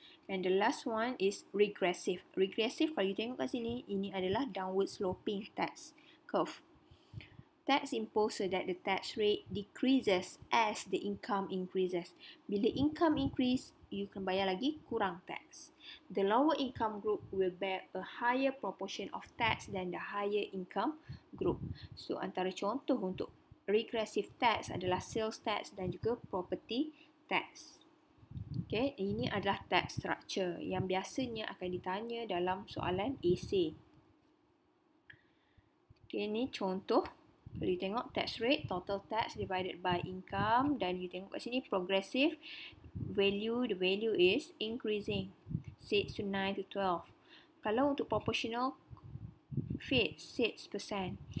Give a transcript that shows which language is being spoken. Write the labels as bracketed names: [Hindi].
[English] And the last one is regressive. Regressive, [Malay] kalau you tengok kat sini, ini adalah [English] downward sloping tax curve. Tax imposed so that the tax rate decreases as the income increases. Bila income increase, you can [Malay] bayar lagi kurang [English] tax. The lower income group will bear a higher proportion of tax than the higher income group. [Malay] So, antara contoh untuk regressive tax adalah sales tax dan juga property tax. Okay, ini adalah tax structure yang biasanya akan ditanya dalam soalan essay. Okay, ini contoh. Kalau you tengok [English] tax rate, total tax divided by income. [Malay] Dan you tengok kat sini [English] progressive value, the value is increasing. 6 to 9 to 12. [Malay] Kalau untuk [English] proportional fit, 6%.